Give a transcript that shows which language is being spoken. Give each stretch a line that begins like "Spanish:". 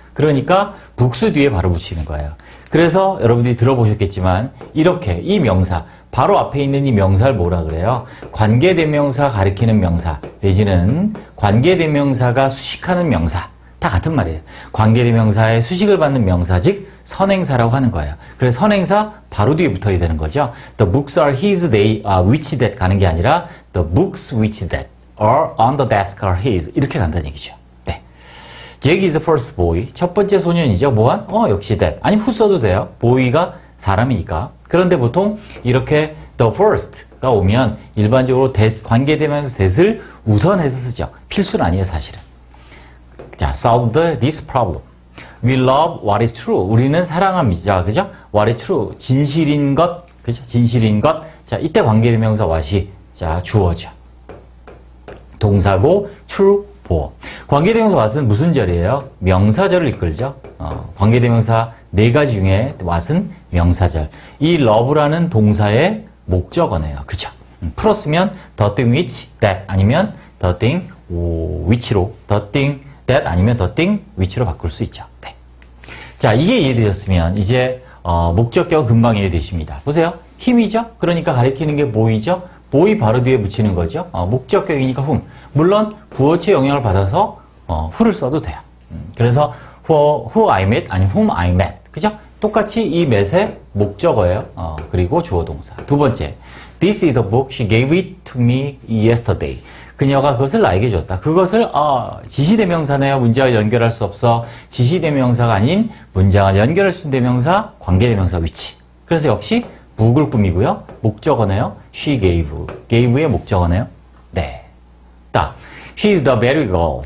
Korean: 그러니까 books 뒤에 바로 붙이는 거예요. 그래서 여러분들이 들어보셨겠지만 이렇게 이 명사 바로 앞에 있는 이 명사를 뭐라 그래요? 관계대명사 가리키는 명사 내지는 관계대명사가 수식하는 명사 다 같은 말이에요. 관계대명사의 수식을 받는 명사 즉 선행사라고 하는 거예요. 그래서 선행사 바로 뒤에 붙어야 되는 거죠.
English: The books are his, they which that
Korean: 가는 게 아니라
English: The books which that are on the desk are his
Korean: 이렇게 간다는 얘기죠. 네.
English: Jack is the first boy.
Korean: 첫 번째 소년이죠. 뭐한? 역시 that. 아니 후 써도 돼요. boy가 사람이니까. 그런데 보통 이렇게 the first가 오면 일반적으로 관계대명사 that을 우선해서 쓰죠. 필수는 아니에요, 사실은.
English: 자, solve this problem. We love what is true.
Korean: 우리는 사랑합니다. 그죠?
English: What is true.
Korean: 진실인 것. 그죠? 진실인 것. 자, 이때 관계대명사 what이 자, 주어죠. 동사고 true, 보어. 관계대명사 what은 무슨 절이에요? 명사절을 이끌죠. 관계대명사 네 가지 중에 what은 명사절. 이 love라는 동사의 목적어네요. 그죠? 풀었으면
English: the thing which that 아니면 the thing which로 the thing that 아니면 the thing which로 바꿀 수 있죠.
Korean: 네. 자, 이게 이해되셨으면 이제 목적격 금방 이해되십니다. 보세요. 힘이죠? 그러니까 가리키는 게 boy죠? boy 바로 뒤에 붙이는 거죠. 목적격이니까 whom. 물론 부호체 영향을 받아서 who를 써도 돼요.
English: 그래서 who I met 아니면 whom I met.
Korean: 그죠? 똑같이 이 met의 목적어예요. 그리고 주어동사. 두 번째,
English: This is the book she gave it to me yesterday.
Korean: 그녀가 그것을 나에게 줬다. 그것을 지시대명사네요. 문장을 연결할 수 없어. 지시대명사가 아닌 문장을 연결할 수 있는 대명사, 관계대명사 위치. 그래서 역시 book을 꾸미고요. 목적어네요.
English: She gave.
Korean: gave의 목적어네요. 네. 딱.
English: She is the very girl.